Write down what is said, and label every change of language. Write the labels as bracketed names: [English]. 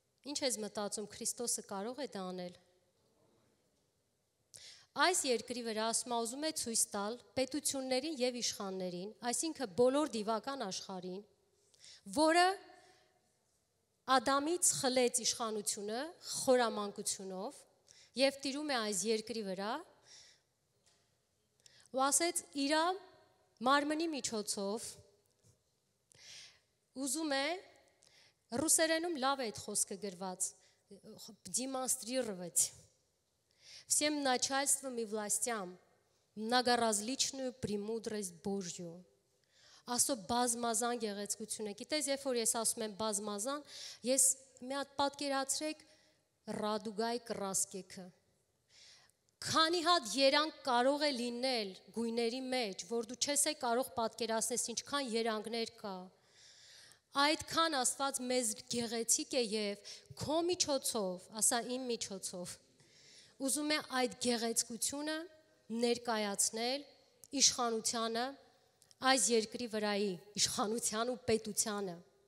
[Armenian] Ինչ ես մտածում, Քրիստոսը կարող է դա անել։ Այս երկրի վրա ասում է, ուզում է ցույց տալ պետություններին եւ իշխաններին, այսինքն բոլոր դիվական աշխարհին, որը Ադամից խլեց իշխանությունը խորամանկությունով եւ տիրում է այս երկրի վրա, ու ասեց իր մարմնի միջոցով, ուզում է, ռուսերենում լավ է այդ խոսքը գրված, դիմաստրիրվեց, [Russian] всем начальствам и властям многоразличную премудрость Божью. [Armenian] Асо базмазан գեղեցկությունը, գիտես, երբ որ ես ասում եմ բազմազան, ես մի հատ պատկերացրեք [Russian] ռադուգայ կրասկեքը։ [Armenian] Քանի հատ երանգ կարող է լինել գույների մեջ, որ դու չես է կարող պատկերացնես ինչքան երանգներ կա։ Այդքան Աստված մեզ գեղեցիկ է եւ քո միջոցով, ասա իմ միջոցով, ուզում է այդ գեղեցկությունը ներկայացնել իշխանությանը, այս երկրի վրայի իշխանության ու պետությանը։